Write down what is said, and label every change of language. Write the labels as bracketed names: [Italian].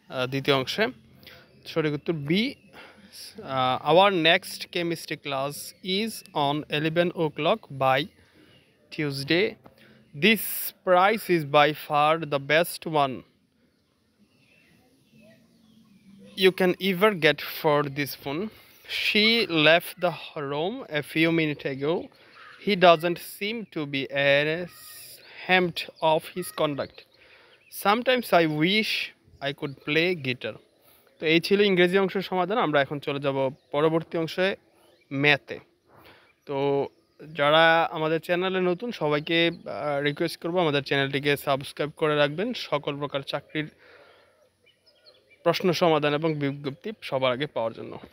[Bangla] দ্বিতীয় অংশে সঠিক উত্তর B, [English] Our next chemistry class is on 11 o'clock by Tuesday. This price is by far the best one you can ever get for this phone. She left the room a few minute ago. He doesn't seem to be ashamed of his conduct. Sometimes I wish I could play guitar. [Bangla] তো এই ছিল ইংরেজি অংশের সমাধান। আমরা এখন চলে যাব পরবর্তী অংশে, ম্যাথে। তো যারা আমাদের চ্যানেলে নতুন, সবাইকে রিকোয়েস্ট করবো আমাদের চ্যানেলটিকে সাবস্ক্রাইব করে রাখবেন। সকল প্রকার চাকরির প্রশ্ন সমাধান এবং বিজ্ঞপ্তি সবার আগে পাওয়ার জন্য।